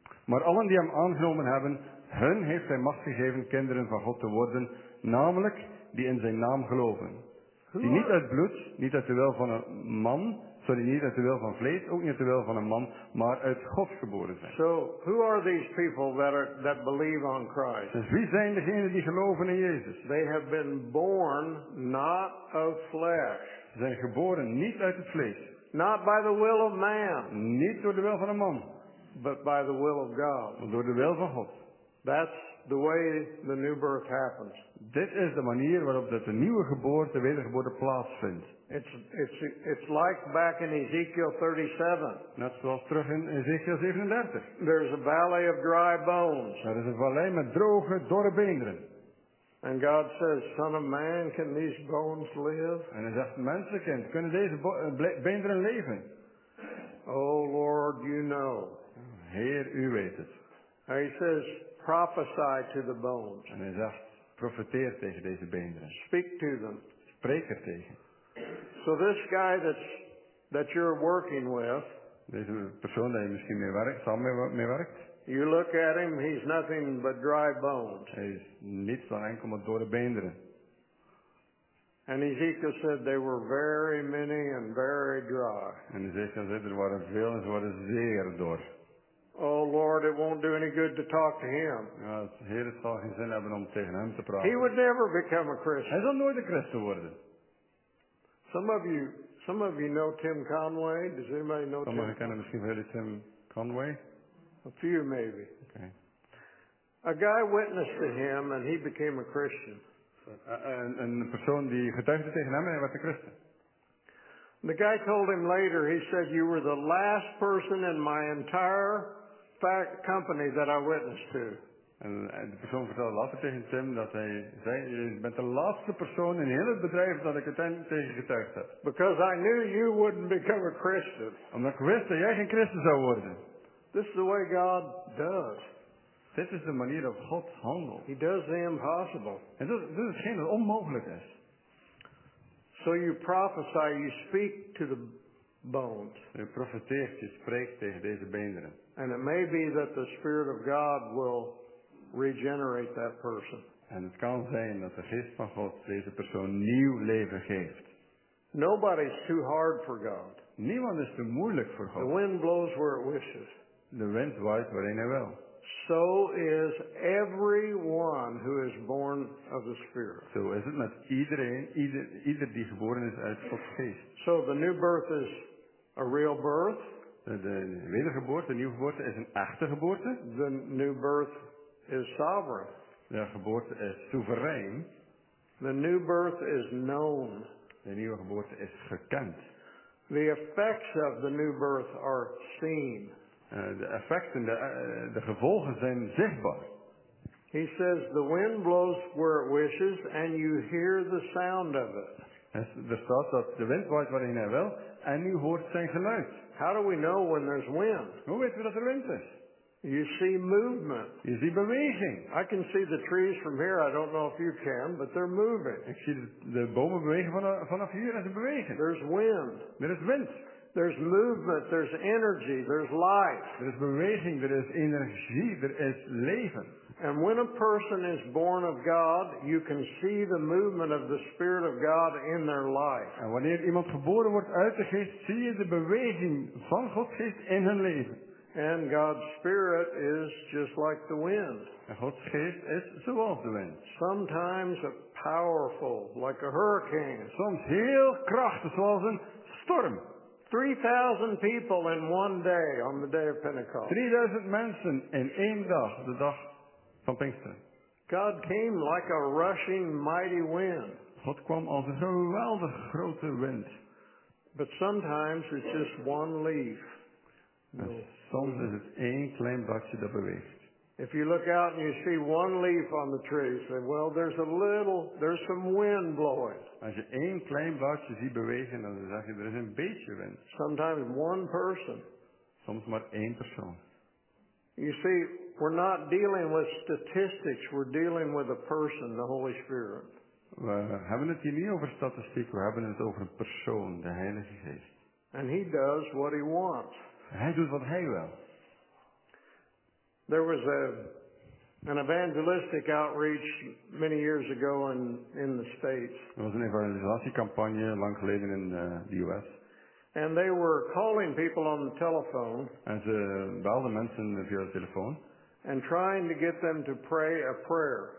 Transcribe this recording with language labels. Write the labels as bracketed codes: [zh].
[nl] Maar allen die hem aangenomen hebben, hun heeft hij macht gegeven kinderen van God te worden, namelijk die in zijn naam geloven. Die niet uit bloed, niet uit de wil van een man, sorry, niet uit de wil van vlees, ook niet uit de wil van een man, maar uit God geboren zijn. [en] So, who are these people that believe on Christ? [nl] Dus wie zijn degenen die geloven in Jezus? [en] They have been born not of flesh. [nl] Ze zijn geboren niet uit het vlees. [en] Not by the will of man. [nl] Niet door de wil van een man. [en] But by the will of God. [nl] Maar door de wil van God. [en] That's the way the new birth happens. [nl] Dit is de manier waarop de nieuwe geboorte, wedergeboorte plaatsvindt. [en] It's like back in Ezekiel 37. [nl] Net zoals terug in Ezekiel 37. [en] There's a valley of dry bones. [nl] Er is een vallei met droge, dorre beenderen. [en] And God says, "Son of man, can these bones live?" [nl] En hij zegt, mensenkind, kunnen deze beenderen leven? [en] Oh Lord, you know. [nl] Heer, u weet het. [en] And he says, prophesy to the bones. [nl] En hij zegt, profeteer tegen deze beenderen. [en] Speak to them. [nl] Spreek er tegen. [en] So this guy that you're working with. [nl] Deze persoon die je misschien mee werkt, samen mee werkt. [en] You look at him, he's nothing but dry bones. [nl] Hij is niets dan enkel maar dorre beenderen. [en] And Ezekiel said they were very many and very dry. [nl] En Ezekiel zei, er waren veel en ze waren zeer dor. [en] Oh Lord, it won't do any good to talk to him. [nl] Heer, het zal geen zin hebben om tegen hem te praten. [en] He would never become a Christian. [nl] Hij zal nooit een christen worden. [en] Some of you know Tim Conway. Does anybody know [nl] Tim? Sommigen kennen misschien wel Tim Conway. [en] A few maybe. Okay. A guy witnessed to him and he became a Christian. [nl] Een persoon die getuigde tegen hem en hij werd een christen. [en] The guy told him later, he said, "You were the last person in my entire company that I witnessed to." [nl] En de persoon vertelde later tegen Tim dat hij zei, "Je bent de laatste persoon in heel het bedrijf dat ik tegen getuigd heb." [en] Because I knew you wouldn't become a Christian. [nl] Omdat ik wist dat jij geen christen zou worden. [en] This is the way God does. [nl] Dit is de manier dat God handelt. [en] He does the impossible. [nl] En dit is geen onmogelijk is. [en] So you prophesy, you speak to the bones. [nl] Je profeteert, je spreekt tegen deze beenderen. [en] And it may be that the Spirit of God will regenerate that person. [nl] En het kan zijn dat de geest van God deze persoon nieuw leven geeft. [en] Nobody's too hard for God. [nl] Niemand is te moeilijk voor God. [en] The wind blows where it wishes. [nl] De wind waait waarin hij wil. [en] So is everyone who is born of the Spirit. [nl] Zo is het met iedereen, ieder die geboren is uit Gods geest. [en] So the new birth is a real birth. [nl] De wedergeboorte, de nieuwe geboorte is een echte geboorte. [en] The new birth is sovereign. [nl] De geboorte is soeverein. [en] The new birth is known. [nl] De nieuwe geboorte is gekend. [en] The effects of the new birth are seen. [nl] De effecten, de gevolgen zijn zichtbaar. [en] He says the wind blows where it wishes and you hear the sound of it. [nl] Er staat dat de wind waait waarin hij wil en u hoort zijn geluid. [en] How do we know when there's wind? [nl] Hoe weten we dat er wind is? [en] You see movement. [nl] Je ziet beweging. [en] I can see the trees from here. I don't know if you can, but they're moving. [nl] Ik zie de bomen bewegen vanaf hier en ze bewegen. [en] There's wind. [nl] Er is wind. [en] There's movement. There's energy. There's life. [nl] Er is beweging. Er is energie. Er is leven. [en] And when a person is born of God, you can see the movement of the Spirit of God in their life. [nl] En wanneer iemand geboren wordt uit de geest, zie je de beweging van Gods geest in hun leven. [en] And God's Spirit is just like the wind. [nl] En Gods geest is zoals de wind. [en] Sometimes powerful, like a hurricane. [nl] Soms heel krachtig, zoals een storm. [en] 3,000 people in one day on the day of Pentecost. [nl] 3,000 mensen in één dag, de dag van Pinksteren. [en] God came like a rushing mighty wind. [nl] God kwam als een geweldige grote wind. [en] But sometimes it's just one leaf. No. [nl] Soms is het één klein bladje dat beweegt. [en] If you look out and you see one leaf on the tree, say, well, there's some wind blowing. [nl] Als je één klein bladje ziet bewegen, dan zeg je, er is een beetje wind. [en] Sometimes one person. [nl] Soms maar één persoon. [en] You see, we're not dealing with statistics, we're dealing with a person, the Holy Spirit. [nl] We hebben het hier niet over statistiek, we hebben het over een persoon, de Heilige Geest. [en] And he does what he wants. [nl] Hij doet wat hij wil. [en] There was an evangelistic outreach many years ago in the States. [nl] Er was een evangelisatiecampagne lang geleden in de US. [en] And they were calling people on the telephone. [nl] En ze belden mensen via de telefoon. [en] And trying to get them to pray a prayer.